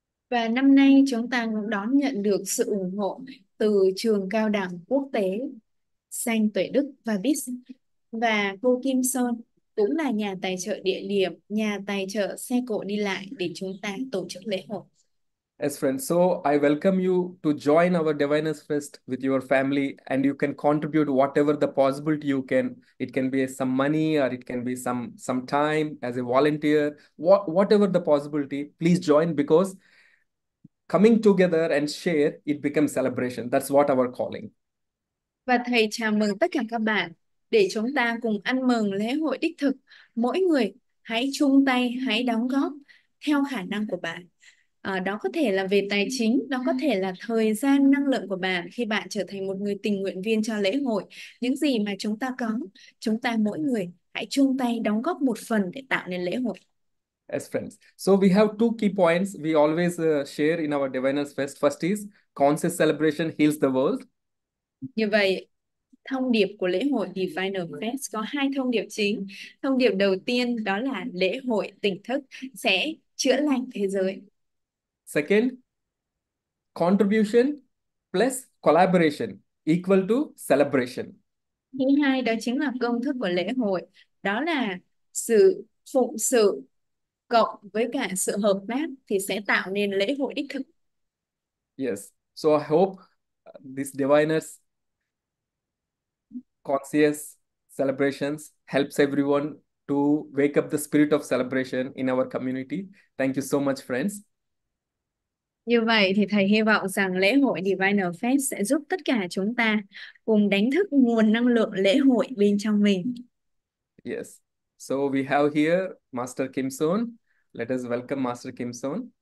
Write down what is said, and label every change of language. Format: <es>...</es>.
<vi>Và năm nay chúng ta cũng đón nhận được sự ủng hộ từ trường cao đẳng quốc tế Sanh Tuệ Đức và BIS. Và cô Kim Son cũng là nhà tài trợ địa điểm, nhà tài trợ xe cộ đi lại để chúng ta tổ chức lễ hội.</vi> <en>Yes, friends. So I welcome you to join our Diviners Fest with your family, and you can contribute whatever the possibility you can. It can be some money or it can be some time as a volunteer. Whatever the possibility, please join, because coming together and share, it becomes celebration. That's what our calling.</en> <vi>Và thầy chào mừng tất cả các bạn để chúng ta cùng ăn mừng lễ hội đích thực. Mỗi người hãy chung tay, hãy đóng góp theo khả năng của bạn. Đó có thể là về tài chính, đó có thể là thời gian, năng lượng của bạn khi bạn trở thành một người tình nguyện viên cho lễ hội. Những gì mà chúng ta có, chúng ta mỗi người hãy chung tay đóng góp một phần để tạo nên lễ hội.</vi> <en>As friends. So we have two key points we always share in our Diviners Fest. First is conscious celebration heals the world.</en> <vi>Như vậy, thông điệp của lễ hội Diviners Fest có hai thông điệp chính. Thông điệp đầu tiên đó là lễ hội tỉnh thức sẽ chữa lành thế giới.</vi> <en>Second, contribution plus collaboration equal to celebration.</en> <vi>Thứ hai đó chính là công thức của lễ hội, đó là sự phụng sự cộng với cả sự hợp tác thì sẽ tạo nên lễ hội đích thực.</vi> <en>Yes, so I hope this Diviners conscious celebrations helps everyone to wake up the spirit of celebration in our community. Thank you so much, friends.</en> <vi>Như vậy thì thầy hy vọng rằng lễ hội Diviner Fest sẽ giúp tất cả chúng ta cùng đánh thức nguồn năng lượng lễ hội bên trong mình.</vi> <en>Yes. So we have here Master Kim Soon. Let us welcome Master Kim Soon.</en>